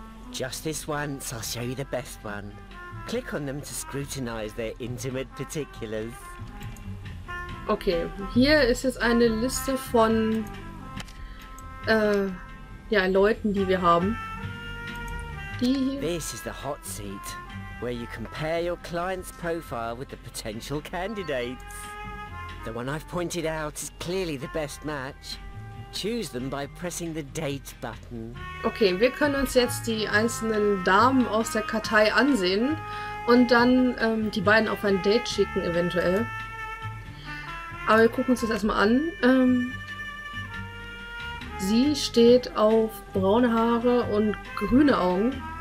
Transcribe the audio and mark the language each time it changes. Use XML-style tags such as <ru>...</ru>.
<en>Just this once, I'll show you the best one. Click on them to scrutinize their intimate particulars.</en> <de>Okay, hier ist jetzt eine Liste von Leuten, die wir haben. Die hier.</de> <en>This is the hot seat, where you compare your client's profile with the potential candidates. The one I've pointed out is clearly the best match. Choose them by pressing the date button.</en> <de>Okay, wir können uns jetzt die einzelnen Damen aus der Kartei ansehen und dann die beiden auf ein Date schicken eventuell. Aber wir gucken uns das erstmal an. Sie steht auf braune Haare und grüne Augen.</de>